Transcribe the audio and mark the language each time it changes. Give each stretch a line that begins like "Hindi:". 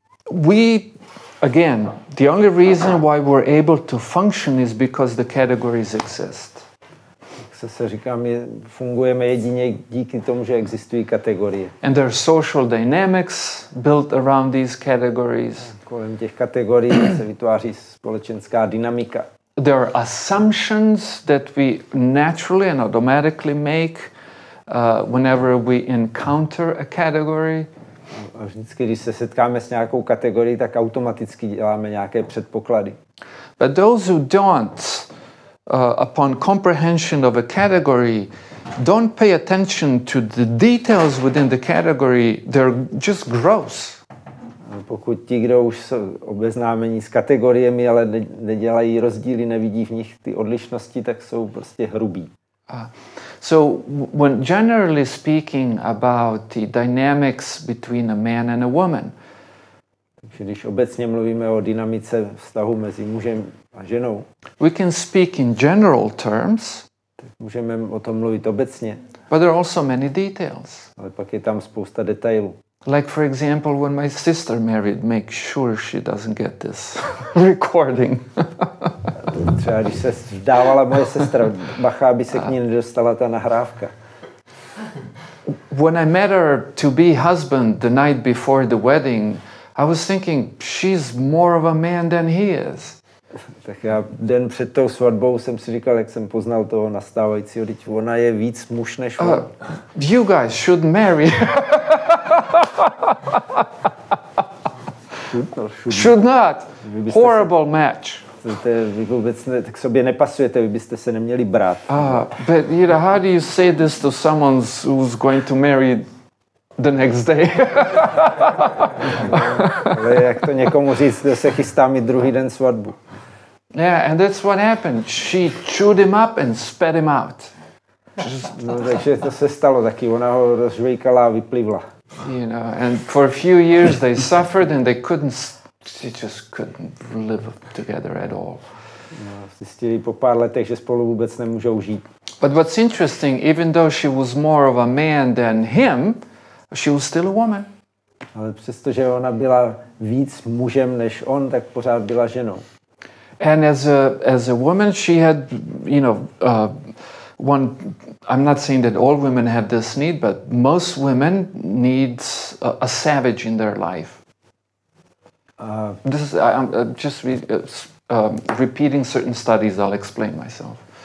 English: We again, the only reason why we're able to function is because the categories exist.
Czech: Jak se říká, my fungujeme jedině díky tomu, že existují kategorie.
English: And there are social dynamics built around these categories.
Czech: Kolem těch kategorií se vytváří společenská dynamika.
English: There are assumptions that we naturally and automatically make whenever we encounter a category.
Czech: A vždycky, když se setkáme s nějakou kategorií, tak automaticky děláme nějaké předpoklady.
English: But those who don't, upon comprehension of a category, don't pay attention to the details within the category, they're just gross.
Czech: Pokud ti, kdo už jsou obeznámení s kategoriemi, ale nedělají rozdíly, nevidí v nich ty odlišnosti, tak jsou prostě hrubí.
English: So when generally speaking about the dynamics between a man and a woman.
Czech: Takže když obecně mluvíme o dynamice vztahu mezi mužem a ženou.
English: We can speak in general terms.
Czech: Tak můžeme o tom mluvit obecně.
English: But there are also many details.
Czech: Ale pak je tam spousta detailů.
English: Like for example, when my sister married, make sure she doesn't get this recording.
Czech: Třeba když se vdávala moje sestra, bacha, aby se k ní nedostala ta nahrávka.
English: When I met her to be husband the night before the wedding, I was thinking, she's more of a man than he is.
Czech: Tak já den před tou svatbou jsem si říkal, jak jsem poznal toho nastávajícího, teď ona je víc muž než on.
English: You guys should marry. Should not. Horrible match.
Czech: to vy vůbec ne, k sobě nepasujete, vy byste se neměli brát.
English: But you know, how do you say this to someone who's going to marry the next day?
Czech: No, jak to někomu říct, kdo se chystá mít druhý den svatbu?
English: Yeah, and that's what happened. She chewed him up and spat him out.
Czech: No, takže to se stalo taky, ona ho rozžvejkala a vyplivla.
English: You know, and for a few years they suffered and they couldn't, they just couldn't live together at all.
Czech: No, zjistili po pár letech, že spolu vůbec nemůžou žít.
English: But what's interesting, even though she was more of a man than him, she was still a woman.
Czech: Ale přestože ona byla víc mužem než on, tak pořád byla ženou.
English: And as a woman, she had, you know, one, I'm not saying that all women have this need, but most women need a savage in their life. This is, I'm just repeating certain studies, I'll explain myself.